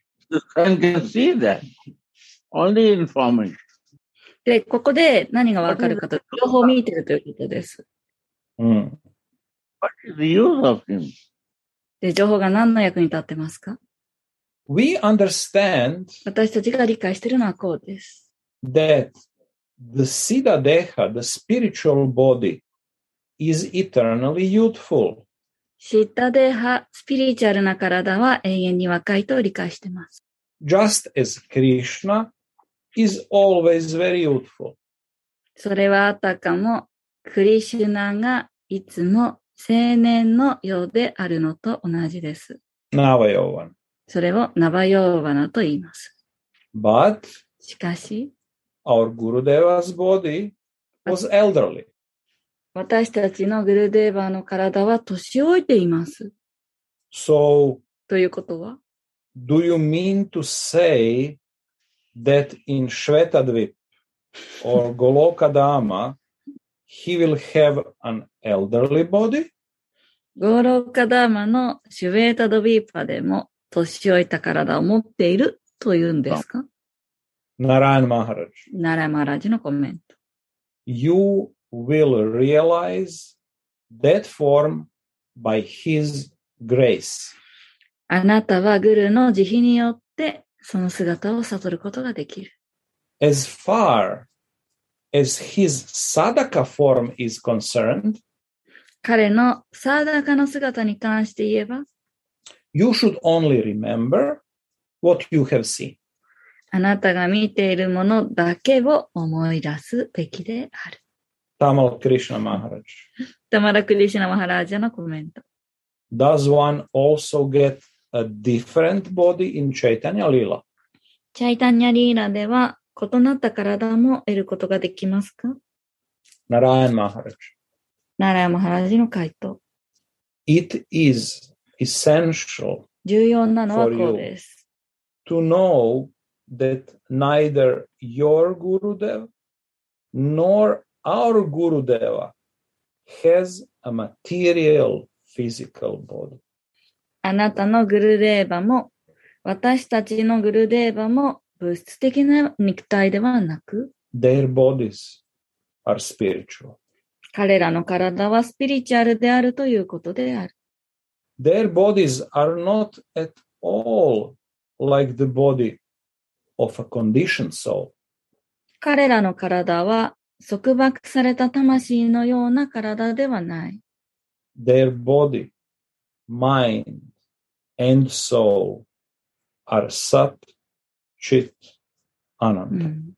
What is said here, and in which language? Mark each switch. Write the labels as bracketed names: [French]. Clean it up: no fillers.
[English] You can see that. Only information. [Japanese] で、ここで何がわかるかと、情報を見ているということです。うん。 [English] What is the use of him? [Japanese] で、情報が何の役に立ってますか? [English] We understand [Japanese] 私たちが理解しているのはこうです。 [English] That the Siddha Deha, the spiritual body, is eternally youthful. [Japanese] Siddha Deha, スピリチュアルな体は永遠に若いと理解しています。 [English] Just as Krishna is always very youthful. [Japanese] それはあたかも、クリシュナがいつも青年のようであるのと同じです。ナバヨーバナ。それをナバヨーバナと言います。 [English] But, [Japanese] しかし、 [English] our Gurudeva's body was elderly. [Japanese] 私たちのグルデーバの体は年老いています。 [English] So, [Japanese] ということは、 [English] do you mean to say that in Shvetadvip or Goloka Dhamma, he will have an elderly body? [Japanese] ゴロカダーマのシュヴェータドビーパでも年老いた体を持っているというんですか? ナラーン・マハラジ。ナラーン・マハラジのコメント。 [English] You will realize that form by his grace. [Japanese] あなたはグルの慈悲によってその姿を悟ることができる。 [English] As farAs his sadaka form is concerned, [Japanese] 彼のサダカの姿に関して言えば、 [English] you should only remember what you have seen. [Japanese] あなたが見ているものだけを思い出すべきである。タマラ・クリシナ・マハラジ。タマラ・クリシナ・マハラジのコメント。 [English] Does one also get a different body in Chaitanya Lila? [Japanese] Chaitanya Lila では、異なった体も得ることができますか? ナラーヤン・マハラジ。ナラーヤン・マハラジの回答。 [English] It is essential [Japanese] 重要なのはこうです。 [English] To know that neither your Gurudev nor our Gurudeva has a material physical body. [Japanese] あなたのグルデーバも私たちのグルデーバも物質的な肉体ではなく [English] Their bodies are spiritual. [Japanese] 彼らの体はスピリチュアルであるということである。 [English] Their bodies are not at all like the body of a conditioned soul. [Japanese] 彼らの体は束縛された魂のような体ではない。 [English] Their body, mind, and soul are sat, chit, ananda.